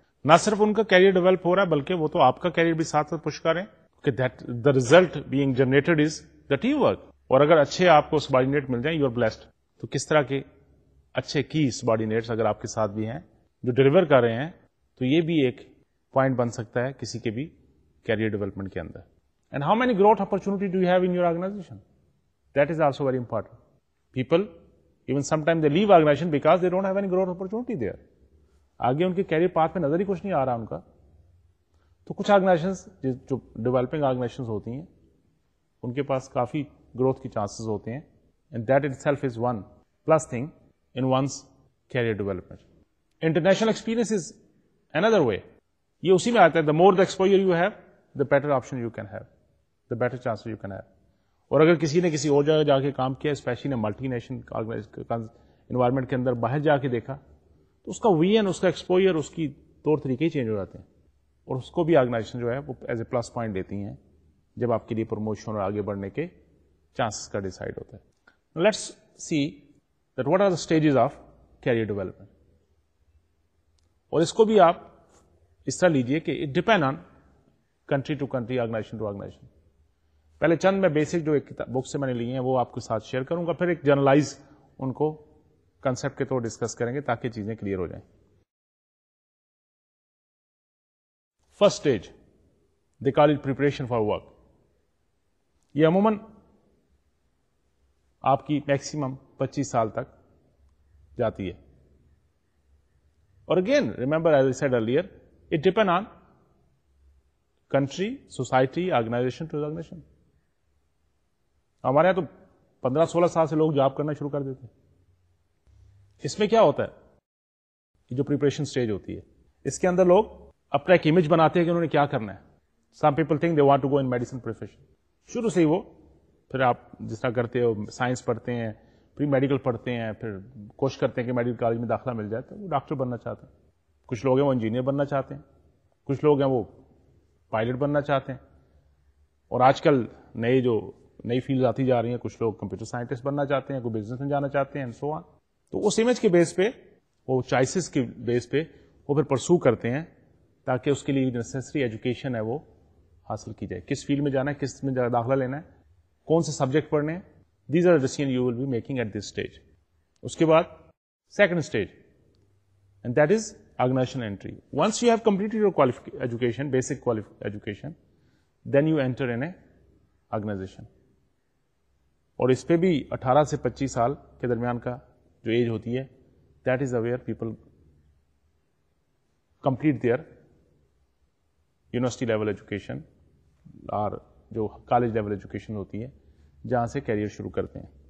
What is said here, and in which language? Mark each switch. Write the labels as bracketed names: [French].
[Urdu] نہ صرف ان کا کیریئر ڈیولپ ہو رہا ہے بلکہ وہ تو آپ کا کیریئر بھی ساتھ ساتھ پش کریں, کہ [English] The result being generated is the team work. [Urdu] اور اگر اچھے آپ کو سبارڈینیٹ مل جائیں [English] You are blessed. [Urdu] تو کس طرح کے اچھے کی سبارڈینیٹس اگر آپ کے ساتھ بھی ہیں جو ڈلیور کر رہے ہیں, تو یہ بھی ایک پوائنٹ بن سکتا ہے کسی کے بھی کیریئر ڈیولپمنٹ کے اندر. [English] And how many growth opportunity do you have in your organisation, that is also very important. People even some time they leave organisation because they don't have any growth opportunity there. [Urdu] آگے ان کے career path میں نظر ہی کچھ نہیں آ رہا ان کا. تو کچھ آرگنائزیشن جو ڈیولپنگ آرگنائزیشن ہوتی ہیں ان کے پاس کافی گروتھ کی چانسز ہوتے ہیں. [English] And that itself is one plus thing in one's career development. International experience is in the way, [Urdu] یہ اسی میں آتا ہے. [English] The more the exposure you have the better option you can have, the better chance you can have. [Urdu] اور اگر کسی نے کسی اور جگہ جا کے کام کیا, اسپیشلی نے ملٹی نیشنل انوائرمنٹ کے اندر باہر جا کے دیکھا, تو اس کا وی این, اس کا ایکسپوئر, اس کی طور طریقے ہی چینج ہو جاتے ہیں. اور اس کو بھی آرگنائزیشن جو ہے وہ ایز اے پلس پوائنٹ دیتی ہیں جب آپ کے لیے پروموشن اور آگے بڑھنے کے چانسز کا ڈیسائڈ ہوتا ہے. [English] Let's see that what are the stages of career development. [Urdu] اور اس کو بھی آپ اس طرح لیجئے کہ [English] It depend on country to country, organisation to organisation. [Urdu] پہلے چند میں بیسک جو ایک بک سے میں نے لی ہیں وہ آپ کے ساتھ شیئر کروں گا, پھر ایک جرنلائز ان کو کنسپٹ کے طور ڈسکس کریں گے تاکہ چیزیں کلیئر ہو جائیں. [English] First stage they call it preparation for work. [Urdu] یہ عموماً آپ کی میکسیمم 25 سال تک جاتی ہے. [English] اور again remember as I said earlier it depend on country, society, organisation to organisation. [Urdu] ہمارے یہاں تو 15-16 سال سے لوگ جاب کرنا شروع کر دیتے ہیں. اس میں کیا ہوتا ہے, جو پریپریشن سٹیج ہوتی ہے اس کے اندر لوگ اپنا ایک امیج بناتے ہیں کہ انہوں نے کیا کرنا ہے. [English] Some people think they want to go in medicine profession. [Urdu] شروع سے ہی وہ, پھر آپ جس طرح کرتے ہو سائنس پڑھتے ہیں, پھر میڈیکل پڑھتے ہیں, پھر کوشش کرتے ہیں کہ میڈیکل کالج میں داخلہ مل جائے, تو وہ ڈاکٹر بننا چاہتے ہیں. کچھ لوگ ہیں وہ انجینئر بننا چاہتے ہیں, کچھ لوگ ہیں وہ پائلٹ بننا چاہتے ہیں, اور آج کل نئی فیلڈ آتی جا رہی ہیں, کچھ لوگ کمپیوٹر سائنٹسٹ بننا چاہتے ہیں, کوئی بزنس میں جانا چاہتے ہیں, [English] So on. [Urdu] تو اس امیج کے بیس پہ, وہ چوائسیز کے بیس پہ وہ پھر پرسو کرتے ہیں تاکہ اس کے لیے نیسیسری ایجوکیشن ہے وہ حاصل کی جائے. کس فیلڈ میں جانا ہے, کس میں داخلہ لینا ہے, کون سے سبجیکٹ پڑھنے ہیں, [English] These are decision you will be making at this stage. [Urdu] اس کے بعد second stage, [English] And that is organisation entry. Once you have completed your education, basic education, then you enter in a organisation. [Urdu] اور اس پہ بھی 18-25 سال کے درمیان کا جو ایج ہوتی ہے, [English] that is where people complete their university level education [Urdu] اور جو کالج لیول ایجوکیشن ہوتی ہے, جہاں سے کیریئر شروع کرتے ہیں.